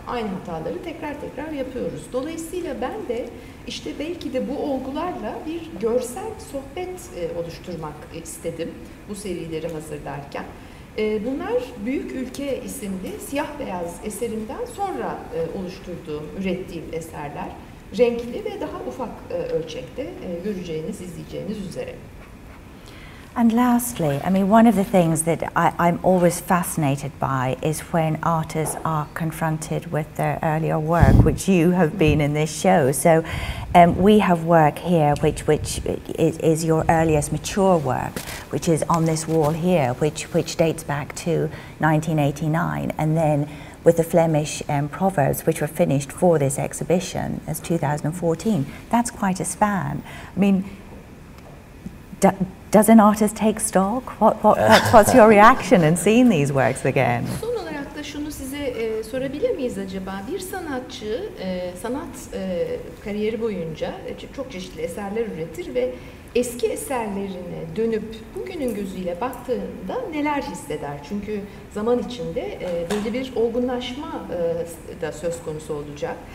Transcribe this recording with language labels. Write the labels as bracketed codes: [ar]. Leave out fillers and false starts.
[tr] Aynı hataları tekrar tekrar yapıyoruz. Dolayısıyla ben de işte belki de bu olgularla bir görsel sohbet oluşturmak istedim bu serileri hazırlarken. Bunlar Büyük Ülke isimli siyah beyaz eserimden sonra oluşturduğum, ürettiğim eserler. Renkli ve daha ufak ölçekte göreceğiniz, izleyeceğiniz üzere. [en] And lastly, I mean, one of the things that I'm always fascinated by is when artists are confronted with their earlier work, which you have been in this show. So we have work here, which is your earliest mature work, which is on this wall here, which dates back to 1989. And then with the Flemish proverbs, which were finished for this exhibition as 2014. That's quite a span. I mean, does an artist take stock? What's your reaction in seeing these works again? [tr] Son olarak da şunu size sorabilir miyiz acaba? Bir sanatçı sanat kariyeri boyunca çok çeşitli eserler üretir ve eski eserlerine dönüp bugünün gözüyle baktığında neler hisseder? Çünkü zaman içinde belli bir olgunlaşma da söz konusu olacak.